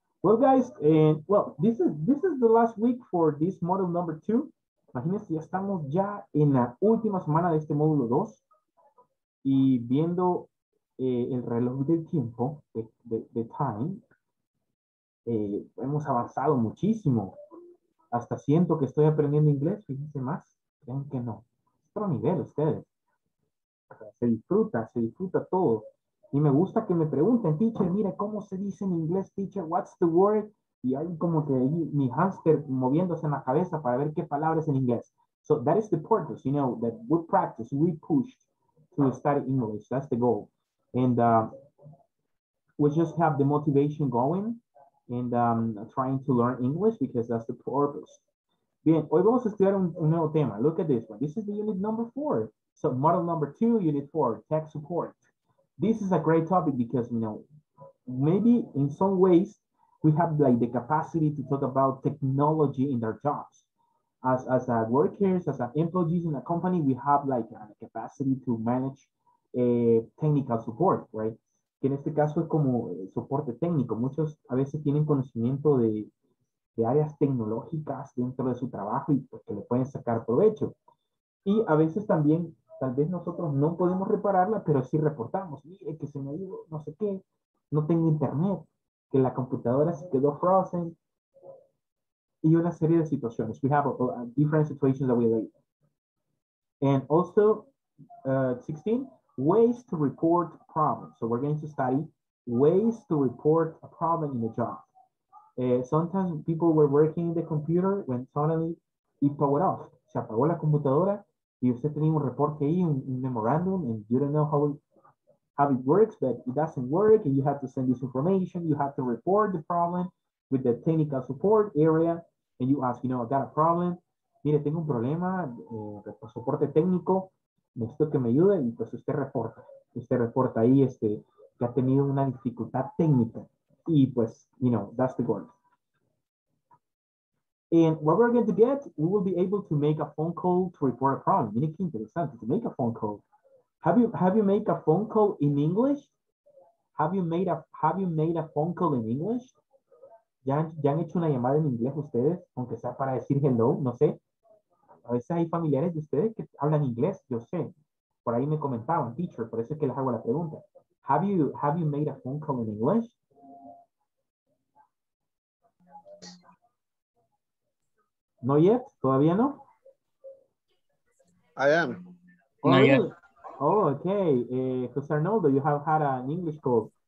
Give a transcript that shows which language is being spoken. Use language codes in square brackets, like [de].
[en] Well, guys, this is the last week for this module number 2. [es] Imagínense, ya estamos ya en la última semana de este módulo 2. Y viendo el reloj del tiempo, [en] the time, [es] hemos avanzado muchísimo. Hasta siento que estoy aprendiendo inglés, fíjense más, creen que no. Otro nivel, ustedes. Se disfruta todo. Y me gusta que me pregunten, teacher, mire, ¿cómo se dice en inglés, teacher? [en] What's the word? [es] Y hay como que ahí mi hámster moviéndose en la cabeza para ver qué palabras en inglés. [en] So that is the purpose, you know, that we practice, we push to study English. That's the goal. And we just have the motivation going. And trying to learn English because that's the purpose. [es] Bien, hoy vamos a estudiar un nuevo tema. [en] Look at this one. This is the unit number 4. So model number 2, unit 4, tech support. This is a great topic because, you know, maybe in some ways we have like the capacity to talk about technology in our jobs. As workers, as employees in a company, we have like a capacity to manage a technical support, right? [es] Que en este caso es como soporte técnico. Muchos a veces tienen conocimiento de áreas tecnológicas dentro de su trabajo y pues, que le pueden sacar provecho. Y a veces también, tal vez nosotros no podemos repararla, pero sí reportamos. Mire, que se me dio no sé qué, no tengo internet, que la computadora se quedó frozen. Y una serie de situaciones. [en] We have different situations that we have. And also, 16. Ways to report problems. So we're going to study ways to report a problem in the job. Sometimes people were working in the computer when suddenly it powered off. [es] Se apagó la computadora y usted tenía un reporte ahí, un memorandum, [en] and you don't know how it works, but it doesn't work, and you have to send this information. You have to report the problem with the technical support area, and you ask, you know, I got a problem. [es] Mire, tengo un problema, soporte técnico. Necesito que me ayude y pues usted reporta ahí que ha tenido una dificultad técnica y pues, [en] you know, that's the goal. And what we're going to get, we will be able to make a phone call to report a problem. [es] Mira qué interesante, [en] to make a phone call. Have you made a phone call in English? Have you made a phone call in English? [es] ¿Ya han hecho una llamada en inglés ustedes? Aunque sea para decir hello, no sé. A veces hay familiares de ustedes que hablan inglés, yo sé. Por ahí me comentaban, teacher, por eso es que les hago la pregunta. [en] Have you made a phone call in English? No yet, [es] todavía no? [en] I am. Not yet. Oh, okay. Jose Arnoldo, you have had an English call.